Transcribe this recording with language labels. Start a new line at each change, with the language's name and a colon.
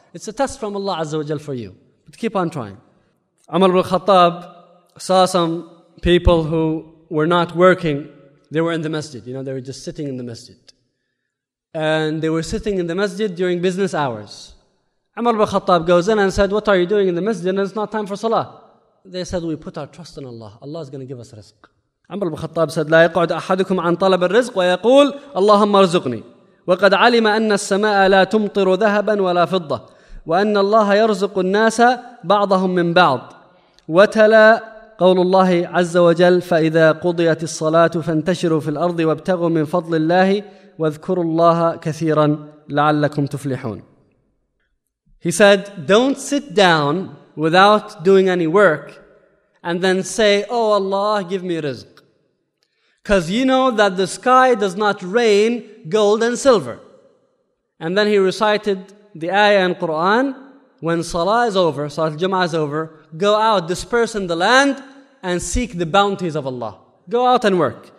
English: It's a test from Allah Azza wa Jal for you. But keep on trying. Umar ibn al-Khattab saw some people who were not working. They were in the masjid. You know, they were just sitting in the masjid. And they were sitting in the masjid during business hours. Umar ibn al-Khattab goes in and said, what are you doing in the masjid? And it's not time for salah. They said, we put our trust in Allah. Allah is going to give us rizq.
Arabic: Umar ibn al-Khattab said, لا يقعد أحدكم عن طلب الرزق ويقول اللهم ارزقني وقد علم أن السماء لا تمطر ذهبا ولا فضة وأن الله يرزق الناس بعضهم من بعض وتلا قول الله عز وجل فإذا قضيت الصلاة فانتشروا في الأرض وابتغوا من فضل الله واذكروا الله كثيرا لعلكم تفلحون.
English: He said, don't sit down without doing any work and then say, oh Allah, give me rizq. Because you know that the sky does not rain gold and silver. And then he recited the ayah in Quran, when salah is over, salat al-jum'ah is over, go out, disperse in the land, and seek the bounties of Allah. Go out and work.